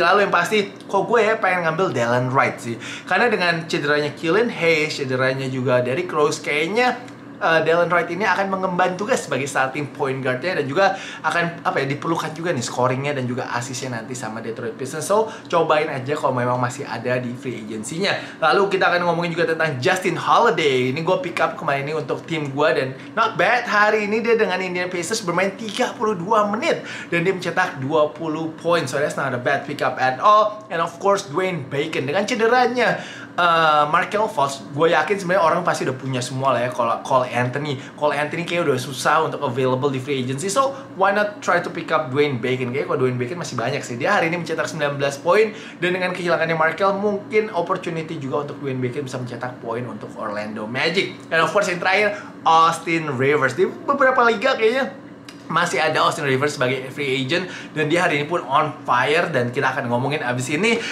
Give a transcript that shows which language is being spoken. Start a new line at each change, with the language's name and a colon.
Indonesian: Lalu yang pasti, kok gue ya pengen ngambil Dallin Wright sih. Karena dengan cederanya Killian Hayes, cederanya juga Derrick Rose, kayaknya Dallin Wright ini akan mengemban tugas sebagai starting point guard-nya dan juga akan apa ya diperlukan juga nih scoring-nya dan juga assist-nya nanti sama Detroit Pistons. So, cobain aja kalau memang masih ada di free agency-nya. Lalu kita akan ngomongin juga tentang Justin Holiday. Ini gue pick up kemarin ini untuk tim gue dan
English: not bad.
Indonesian: Hari ini dia dengan Indiana Pacers bermain 32 menit dan dia mencetak 20 poin.
English: So, that's not a bad pick up at all. And of course,
Indonesian: Dwayne Bacon dengan cederanya Markelle Fultz, gue yakin sebenarnya orang pasti udah punya semua lah ya. Kalau Cole Anthony kayak udah susah untuk available di free agency.
English: So why not try to pick up Dwayne Bacon?
Indonesian: Kayaknya kalau Dwayne Bacon masih banyak sih. Dia hari ini mencetak 19 poin dan dengan kehilangannya Markelle, mungkin opportunity juga untuk Dwayne Bacon bisa mencetak poin untuk Orlando Magic.
English: And of course
Indonesian: yang terakhir, Austin Rivers. Di beberapa liga kayaknya masih ada Austin Rivers sebagai free agent dan dia hari ini pun
English: on fire
Indonesian: dan kita akan ngomongin abis ini.